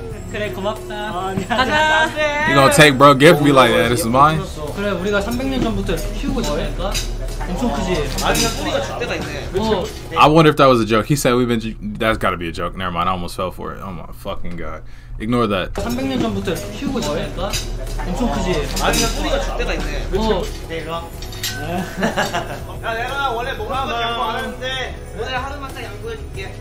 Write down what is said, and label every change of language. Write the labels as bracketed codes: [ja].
[en] You gonna take bro gift me like that? This is mine. [ko] 그래 우리가 300년 전부터 키우고 있으니까 엄청 크지. 아니야 뿌리가 줄대가 있네. [en] I wonder if that was a joke. He said we've been. That's gotta be a joke. Never mind. I almost fell for it. Oh my fucking god. Ignore that. [ko] 300년 전부터 키우고 있으니까 엄청 크지. 아니야 뿌리가 줄대가 있네. 내가. 야 내가 원래 먹는 거 잘 모르는데 오늘 하루만 딱 양보해줄게.